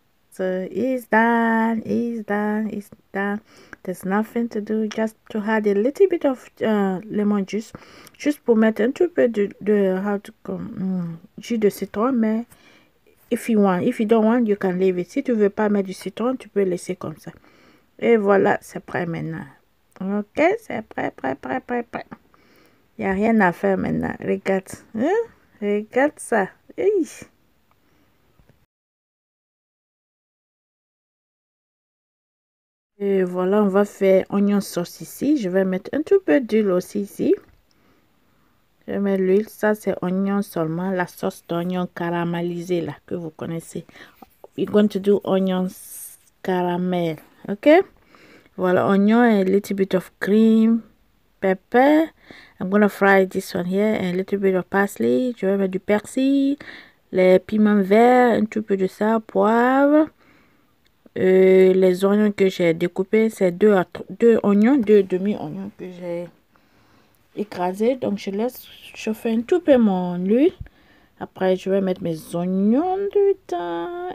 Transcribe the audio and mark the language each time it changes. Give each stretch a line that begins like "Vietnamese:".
English: So it's done, it's done, it's done. There's nothing to do, just to add a little bit of lemon juice,
French: juste pour mettre un tout peu de
English: how to call,
French: jus de citron.
English: Mais if you want, if you don't want, you can leave it.
French: Si tu veux pas mettre du citron, tu peux laisser comme ça. Et voilà, c'est prêt maintenant. Ok, c'est prêt. Il y a rien à faire maintenant. Regarde, hein? Regarde ça. Et voilà, on va faire oignon sauce ici. Je vais mettre un tout peu d'huile aussi ici. Je mets l'huile, ça c'est oignon seulement, la sauce d'oignon caramélisée là que vous connaissez.
English: We're going to do onions caramel, ok?
French: Voilà, oignon et
English: a little bit of cream, pepper. I'm gonna fry this one here and a little bit of parsley.
French: Je vais mettre du persil, les piments verts, un tout peu de ça, poivre. Les oignons que j'ai découpés, c'est deux oignons, deux demi-oignons que j'ai écrasés. Donc, je laisse chauffer un tout peu mon huile. Après, je vais mettre mes oignons dedans.